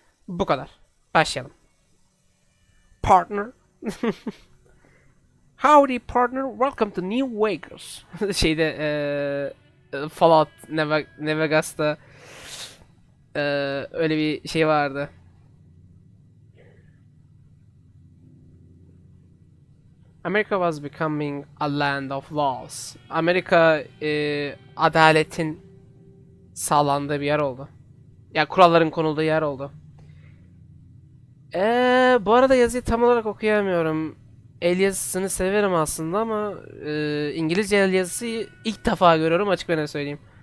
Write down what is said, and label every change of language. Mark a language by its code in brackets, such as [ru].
[tr] Bu kadar. Başlayalım. Partner. [en] Howdy partner. Welcome to New Vegas. [tr] Şeyde Fallout Vegas'ta öyle bir şey vardı. [en] America was becoming a land of laws. [tr] Amerika adaletin sağlandığı bir yer oldu. Ya kuralların konulduğu yer oldu. Bu arada yazıyı tam olarak okuyamıyorum. El yazısını severim aslında ama İngilizce el yazısı ilk defa görüyorum, açık ben söyleyeyim.